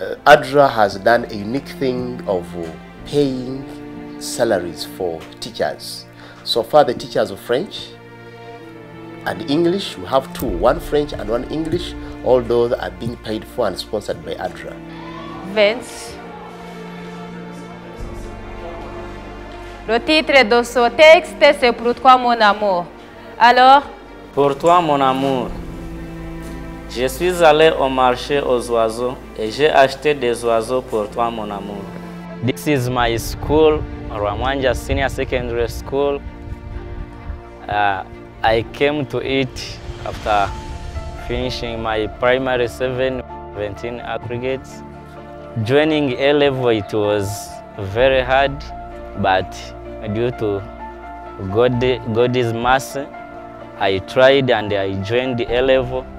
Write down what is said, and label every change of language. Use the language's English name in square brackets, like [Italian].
[English] ADRA has done a unique thing of paying salaries for teachers. So far, the teachers of French and English, we have two, one French and one English, all those are being paid for and sponsored by ADRA. Vince. [French] Le titre de ce texte, c'est pour toi, mon amour. Alors? Pour toi, mon amour. Je suis allé au marché aux oiseaux et j'ai acheté des oiseaux pour toi, mon amour. [English] This is my school, Rwamwanja Senior Secondary School. I came to it after finishing my primary 7-17 aggregates. Joining A level, it was very hard, but due to God's mercy, I tried and I joined the A-level.